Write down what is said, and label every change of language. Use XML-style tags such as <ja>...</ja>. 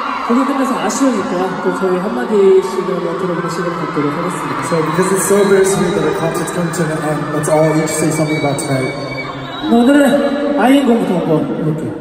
<ko>오늘 끝나서 아쉬우니까 또 저희 한마디씩 한번 들어보시는 것 같도록 하겠습니다.</ko> <en>So because it's so very sweet that our concert's coming to an end, let's all each say something about tonight.</en> <ko>오늘은 아이언 고부터 한번 이렇게.</ko>